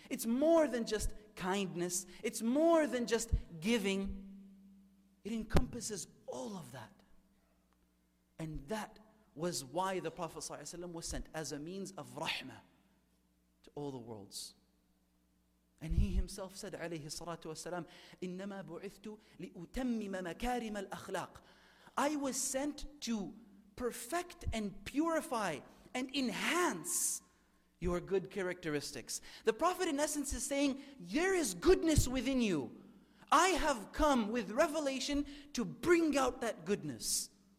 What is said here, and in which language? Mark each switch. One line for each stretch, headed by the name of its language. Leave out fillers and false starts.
English: It's more than just kindness. It's more than just giving. It encompasses all of that. And that was why the Prophet ﷺ was sent as a means of rahmah to all the worlds. And he himself said,
Arabic: عليه الصلاة والسلام, إنما بعثت لأتمم مكارم الأخلاق.
English: I was sent to perfect and purify and enhance your good characteristics. The Prophet in essence is saying, there is goodness within you. I have come with revelation to bring out that goodness.